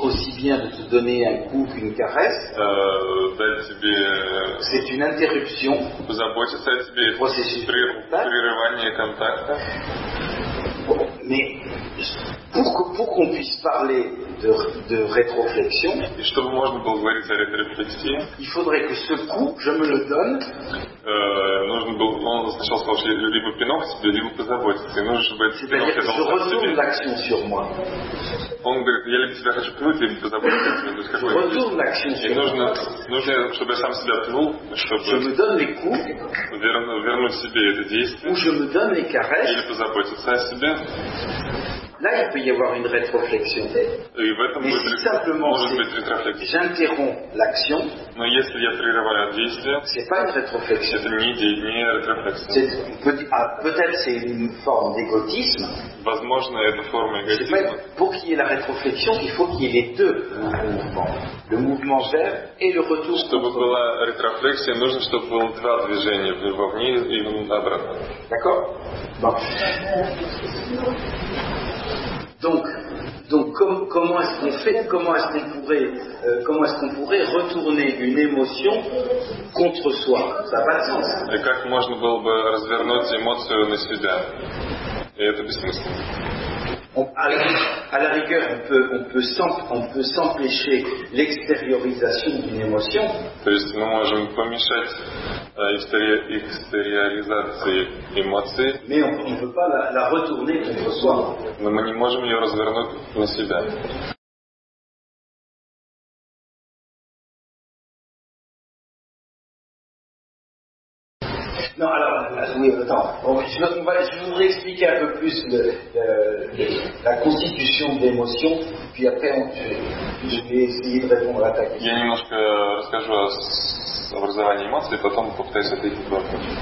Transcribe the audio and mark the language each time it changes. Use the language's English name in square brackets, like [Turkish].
[French] Aussi bien de te donner un coup qu'une caresse. [Russian] Дать тебе. [French] C'est une interruption. [Russian] Позаботиться о тебе. Прерывание контакта. [French] Mais pour qu'on puisse parler de rétroflexion, [Russian] et чтобы можно было говорить о рétroflexion, [French] il faudrait que ce coup, je me le donne. [Russian] Нужно было, он сначала сказал, что либо пинок себе, либо позаботиться. И нужно, чтобы этот пинок я должен себе. [French] Je retourne l'action sur moi. [Russian] Он говорит, я либо тебя хочу пнуть, либо позаботиться. [French] Je retourne l'action sur moi. [Russian] И нужно, чтобы я сам себя пнул, чтобы. [French] Je me donne les coups. [Russian] Вернуть себе это действие. [French] Ou je me donne les caresses. [Russian] Или позаботиться о себе. [French] Là, il peut y avoir une rétroflexion. Mais si simplement j'interromps l'action, [Russian] но если я прерываю действие, [French] c'est pas une rétroflexion. [Russian] Это не рétroflexion. [French] Peut-être c'est une forme d'égotisme. [Russian] Возможно, это форма эгоизма. [French] Pour qu'il y ait la rétroflexion, il faut qu'il y ait les deux mouvements. Le mouvement vers et le retour. [Russian] Чтобы была рétroflexion, нужно, чтобы было два движения, вовнутрь и обратно. [French] D'accord? Bon. Donc comment est-ce qu'on pourrait retourner une émotion contre soi? Ça n'a pas de sens. [Russian] Et как можно было бы развернуть эмоцию на себя? Et это бессмысленно. [French] À la rigueur, on peut s'empêcher l'extériorisation d'une émotion. [Russian] То есть мы можем помешать экстериоризации эмоций. [French] Mais on ne peut pas la retourner contre soi. [Russian] Но мы не можем ее развернуть на себя. [French] Non, alors, oui, attends. Je voudrais expliquer un peu plus la constitution de l'émotion, puis après, je vais essayer de répondre à ta question. [Russian] Я немножко расскажу о образовании эмоций, потом попытаюсь ответить на вопрос.